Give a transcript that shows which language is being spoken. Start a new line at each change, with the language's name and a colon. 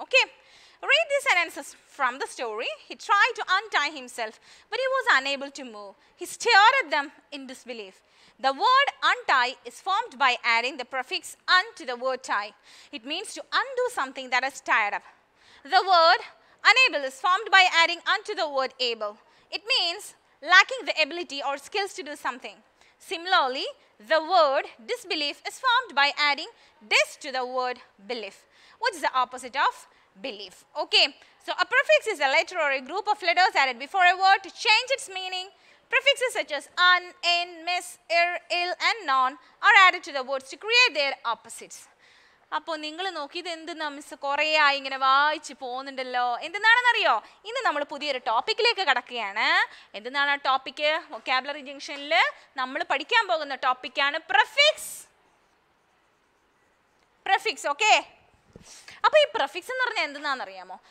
English: Okay, read the sentences from the story. He try to untie himself but he was unable to move. He സ്റ്റെയർഡ് at them in disbelief. The word untie is formed by adding the prefix un to the word tie. It means to undo something that is tired up. The word unable is formed by adding unto the word able. It means lacking the ability or skills to do something. Similarly, the word disbelief is formed by adding dis to the word belief. What is the opposite of belief? Okay, so a prefix is a letter or a group of letters added before a word to change its meaning. Prefixes such as un, in, mis, ir, ill and non are added to the words to create their opposites.
Malayalam: അപ്പോൾ നിങ്ങൾ നോക്കിയത് എന്തെന്നാ miss? കുറേയായി ഇങ്ങനെ വായിച്ച് പോകുന്നുണ്ടല്ലോ. എന്തെന്നാണെന്നറിയോ, ഇന്ന് നമ്മൾ പുതിയൊരു ടോപ്പിക്കിലേക്ക് കടക്കുകയാണ്. എന്തെന്നാണ് ആ ടോപ്പിക്? വൊക്കാബുലറി ജംഗ്ഷനിൽ നമ്മൾ പഠിക്കാൻ പോകുന്ന ടോപ്പിക്കാണ് പ്രിഫിക്സ്. Prefix, okay. അപ്പോൾ ഈ പ്രിഫിക്സ് എന്ന് പറഞ്ഞാൽ എന്തെന്നാണെന്നറിയാമോ?